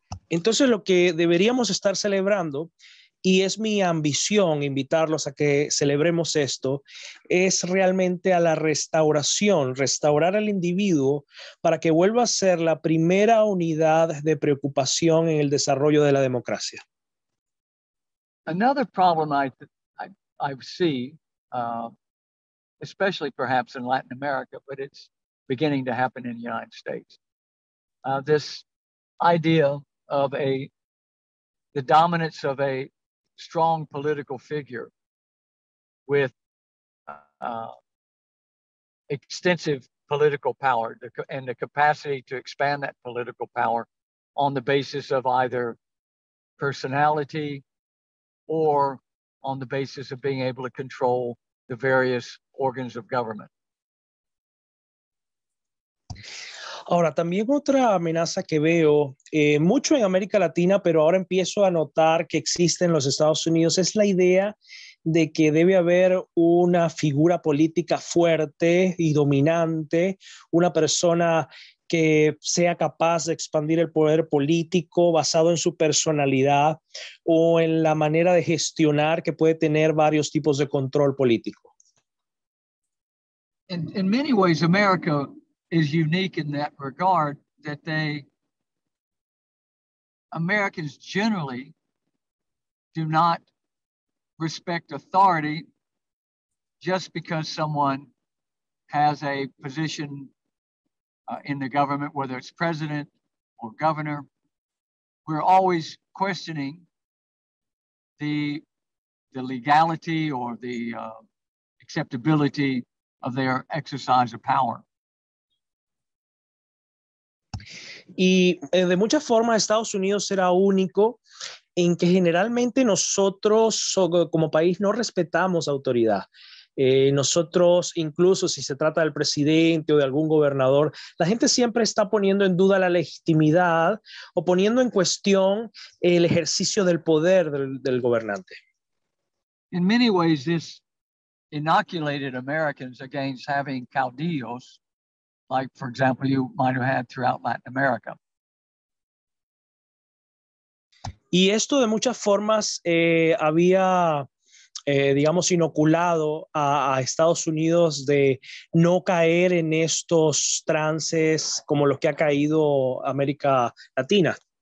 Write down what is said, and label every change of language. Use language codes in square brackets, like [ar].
[es] Entonces, lo que deberíamos estar celebrando y es mi ambición invitarlos a que celebremos esto, es realmente a la restauración, restaurar al individuo para que vuelva a ser la primera unidad de preocupación en el desarrollo de la democracia. [en] Another problem I see, especially perhaps in Latin America, but it's beginning to happen in the United States. This idea of the dominance of a strong political figure with extensive political power and the capacity to expand that political power on the basis of either personality or on the basis of being able to control the various organs of government. [es] Ahora, también otra amenaza que veo, mucho en América Latina, pero ahora empiezo a notar que existe en los Estados Unidos, es la idea de que debe haber una figura política fuerte y dominante, una persona que sea capaz de expandir el poder político basado en su personalidad o en la manera de gestionar que puede tener varios tipos de control político. [en] In many ways, America is unique in that regard, that they, Americans generally do not respect authority just because someone has a position in the government, whether it's president or governor. We're always questioning the legality or the acceptability of their exercise of power. [es] Y de muchas formas Estados Unidos era único en que generalmente nosotros como país no respetamos autoridad. Nosotros, incluso si se trata del presidente o de algún gobernador, la gente siempre está poniendo en duda la legitimidad o poniendo en cuestión el ejercicio del poder del gobernante. [en] In many ways, this inoculated Americans against having caudillos, like, for example, you might have had throughout Latin America. [es] Y esto de muchas formas había, digamos, inoculado a Estados Unidos de no caer en estos trances como los que ha caído América Latina.